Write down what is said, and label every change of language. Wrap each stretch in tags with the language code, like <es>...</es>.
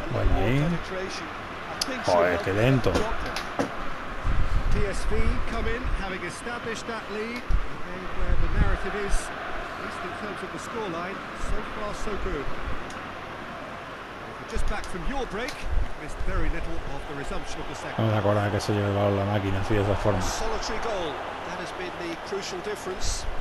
<es>Penetration. Joder, qué lento.</es> <en>PSV come in having established that lead. And where the narrative is, at least in terms of the scoreline, so far so good. Just back from your break. Very little of the resumption of the second.</en> <es>No me acuerdo que se haya llevado la máquina así de esa forma.</es> <en>Solitary goal. That has been the crucial difference.</en>